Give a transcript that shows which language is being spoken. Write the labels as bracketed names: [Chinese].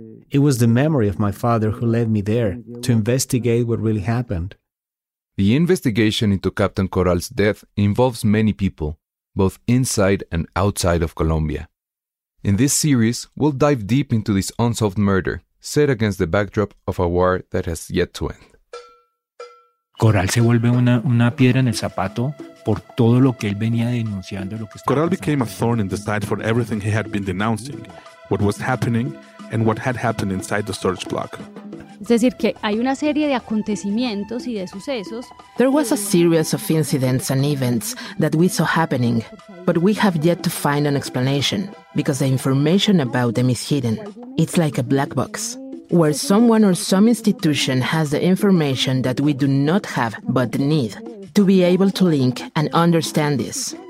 [English] It was the memory of my father who led me there to investigate what really happened. The investigation into Captain Coral's death involves many people, both inside and outside of Colombia. In this series, we'll dive deep into this unsolved murder, set against the backdrop of a war that has yet to end. [Spanish] Coral se vuelve una piedra en el zapato por todo lo que él venía denunciando. [English] Coral became a thorn in the side for everything he had been denouncing, what was happening, and what had happened inside the storage block. [Spanish] Es decir, que hay una serie de acontecimientos y de sucesos. [English] There was a series of incidents and events that we saw happening, but we have yet to find an explanation, because the information about them is hidden. It's like a black box, where someone or some institution has the information that we do not have, but need, to be able to link and understand this.